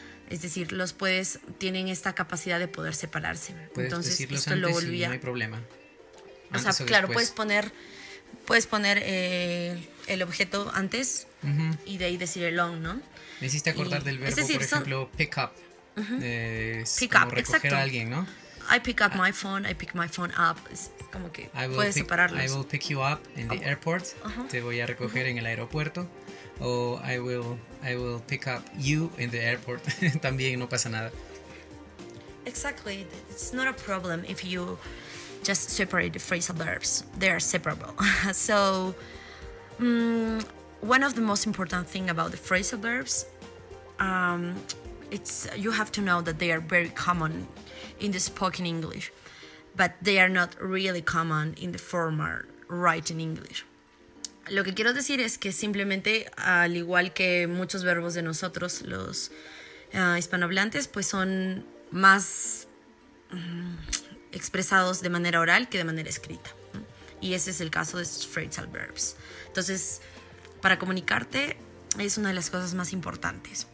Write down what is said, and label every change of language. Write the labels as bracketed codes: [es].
[es] Es decir, los puedes, tienen esta capacidad de poder separarse. Puedes, entonces, decirlos esto antes, lo volvía, y no hay problema. Antes, o sea, o claro, después. Puedes poner el objeto antes, uh-huh, y de ahí decir el on, ¿no? Me hiciste acordar del verbo, decir, por ejemplo, pick up. Uh-huh. Pick up, recoger, exacto, a alguien, ¿no? [en] I pick up my phone, I pick my phone up. [es] Es como que puedes separarlos. [en] I will pick you up in the airport. Uh-huh. [es] Te voy a recoger, uh-huh, en el aeropuerto. [en] O I will pick up you in the airport. [es] También no pasa nada. [en] Exactly. It's not a problem if you just separate the phrasal verbs. They are separable. So, one of the most important thing about the phrasal verbs, it's, you have to know that they are very common in the spoken English, but they are not really common in the formal written English. [es] Lo que quiero decir es que simplemente, al igual que muchos verbos de nosotros, los hispanohablantes, pues son más expresados de manera oral que de manera escrita. Y ese es el caso de estos phrasal verbs. Entonces, para comunicarte es una de las cosas más importantes.